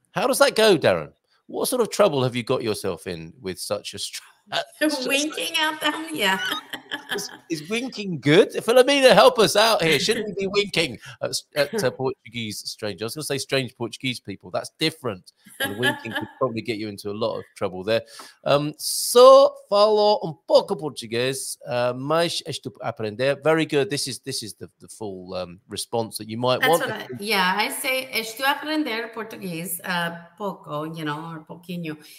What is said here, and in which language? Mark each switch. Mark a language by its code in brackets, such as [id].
[en] How does that go, Darren? What sort of trouble have you got yourself in with such a winking at them? Yeah. is winking good? Filomena, help us out here. Shouldn't we be winking at Portuguese strangers? I was going to say strange Portuguese people. That's different. And winking could probably get you into a lot of trouble there. [pt] So, falo pouco português, mas estou a aprender. [en] Very good. This is the full response that you might That's want. I say [pt] estou a aprender português pouco, [en] or pouquinho.